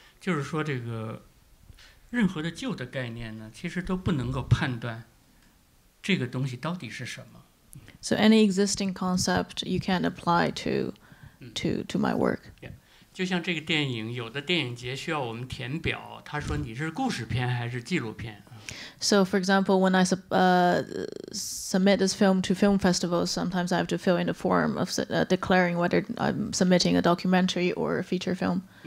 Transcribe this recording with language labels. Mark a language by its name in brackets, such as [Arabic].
[Chinese] 就是说这个任何的旧的概念呢，其实都不能够判断这个东西到底是什么。 [English] So any existing concept you can't apply to my work. Yeah. [Chinese] 就像这个电影，有的电影节需要我们填表，他说你是故事片还是纪录片。 [English] So, for example, when I submit this film to film festivals, sometimes I have to fill in the form of declaring whether I'm submitting a documentary or a feature film.